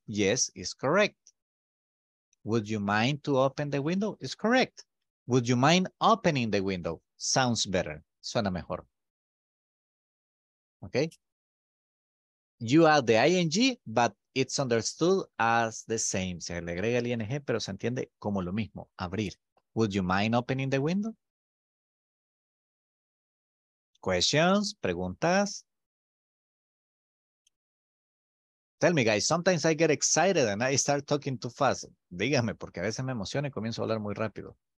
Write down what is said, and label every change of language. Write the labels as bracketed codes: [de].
[en] Yes, it's correct. Would you mind to open the window? It's correct. Would you mind opening the window? Sounds better. [es] Suena mejor. [en] Okay? You add the ing, but it's understood as the same. [es] Se le agrega el ing, pero se entiende como lo mismo. Abrir. [en] Would you mind opening the window? Questions? Preguntas? Tell me, guys. Sometimes I get excited and I start talking too fast. [es] Dígame, porque a veces me emociono y comienzo a hablar muy rápido.